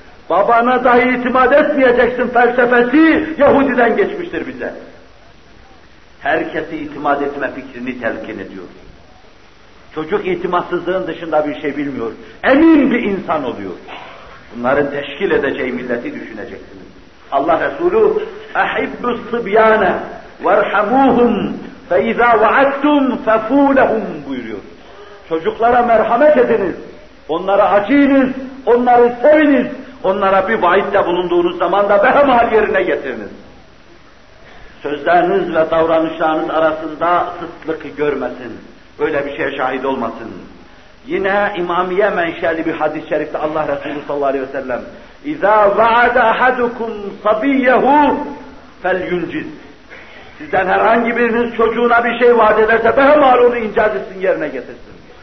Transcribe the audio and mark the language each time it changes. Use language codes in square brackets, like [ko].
[tr] Babana dahi itimat etmeyeceksin felsefesi Yahudi'den geçmiştir bize. Herkesi itimat etme fikrini telkin ediyor. Çocuk itimatsızlığın dışında bir şey bilmiyor. Emin bir insan oluyor. Bunların teşkil edeceği milleti düşüneceksiniz. Allah Resulü [ar] اَحِبُّ الصِّبْيَانَ وَرْحَمُوهُمْ فَاِذَا وَعَدْتُمْ فَفُولَهُمْ [tr] buyuruyor. Çocuklara merhamet ediniz. Onlara acıyınız. Onları seviniz. Onlara bir vaidde bulunduğunuz zaman da behemal yerine getiriniz. Sözleriniz ve davranışlarınız arasında sıtlık görmesin. Böyle bir şeye şahit olmasın. Yine İmamiye menşeli bir hadis-i şerifte Allah Resulü sallallahu aleyhi ve sellem [ar] اِذَا وَعَدَ أَحَدُكُمْ صَبِيَّهُ فَالْيُنْجِدْ [tr] sizden herhangi biriniz çocuğuna bir şey vaat ederse behemal onu incaz etsin, yerine getirsin.